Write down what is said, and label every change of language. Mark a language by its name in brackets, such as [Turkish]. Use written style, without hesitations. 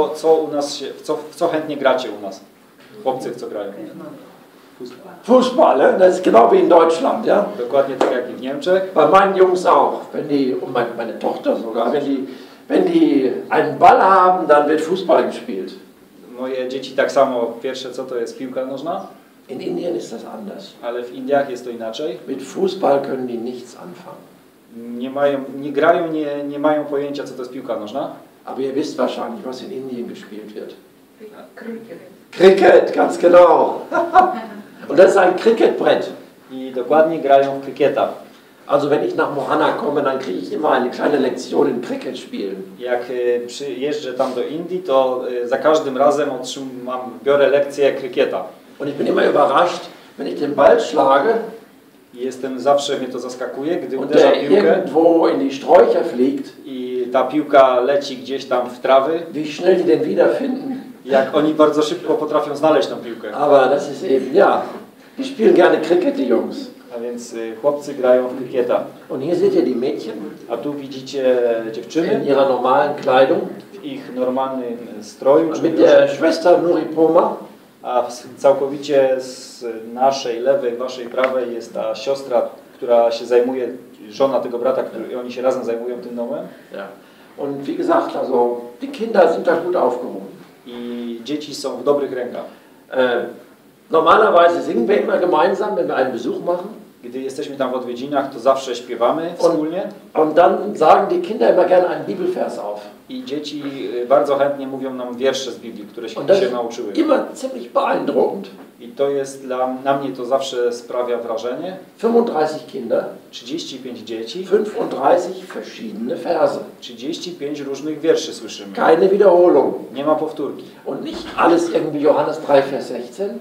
[Polish] Co u nas się, w co chętnie gracie u nas? Chłopcy w co grają? [German] Fußball, das ist genau wie in Deutschland, ja? [Polish] Dokładnie tak jak i w Niemczech. [German] Bei meinen Jungs auch, wenn die, und meine Tochter sogar, wenn die einen Ball haben, dann wird Fußball gespielt. [Polish] Moje dzieci tak samo, pierwsze co to jest piłka nożna? [German] In Indien ist das anders. [Polish] Ale w Indiach jest to inaczej. [German] Mit Fußball können die nichts anfangen. [Polish] Nie mają, nie grają, nie mają pojęcia, co to jest piłka nożna. [German] Aber ihr wisst wahrscheinlich, was in Indien gespielt wird. Cricket. Cricket, ganz genau. Und das ist ein Cricketbrett. [Polish] I dokładnie grają w krykieta. [German] Also wenn ich nach Mohana komme, dann kriege ich immer eine kleine Lektion in Cricket spielen. [Polish] Jak przyjeżdżę tam do Indii, to za każdym razem biorę lekcję krykieta. [German] Und ich bin immer überrascht, wenn ich den Ball schlage. [Polish] Jestem zawsze, mnie to zaskakuje, gdy uderza piłkę. [German] Irgendwo in die Sträucher fliegt. [Polish] I ta piłka leci gdzieś tam w trawy. [German] Wie schnell die denn wiederfinden. [Polish] Jak oni bardzo szybko potrafią znaleźć tą piłkę. [German] Aber das ist eben, ja. Die spielen gerne Cricket, die Jungs. [Polish] A więc chłopcy grają w krykieta. [German] Und hier seht ihr die Mädchen. [Polish] A tu widzicie dziewczyny. [German] In ihrer normalen Kleidung. [Polish] W ich normalnym stroju. [German] Mit der Schwester Nuripoma. [Polish] A całkowicie z naszej lewej, waszej prawej jest ta siostra, która się zajmuje, żona tego brata, który, oni się razem zajmują tym domem. [German] Ja. Und wie gesagt, also die Kinder sind da gut aufgehoben. [Polish] I dzieci są w dobrych rękach. [German] Normalerweise singen wir immer gemeinsam, wenn wir einen Besuch machen. [Polish] Gdy jesteśmy tam w odwiedzinach, to zawsze śpiewamy wspólnie. [German] Und dann sagen die Kinder immer gerne einen Bibelvers auf. [Polish] I dzieci bardzo chętnie mówią nam wiersze z Biblii, które się nauczyły. [German] Immer ziemlich beeindruckend. [Polish] I to jest dla na mnie to zawsze sprawia wrażenie. [German] 35 Kinder. [Polish] 35 dzieci. [German] 35 verschiedene Verse. [Polish] 35 różnych wierszy słyszymy. [German] Keine Wiederholung. [Polish] Nie ma powtórki. [German] Und nicht alles irgendwie Johannes 3, Vers 16.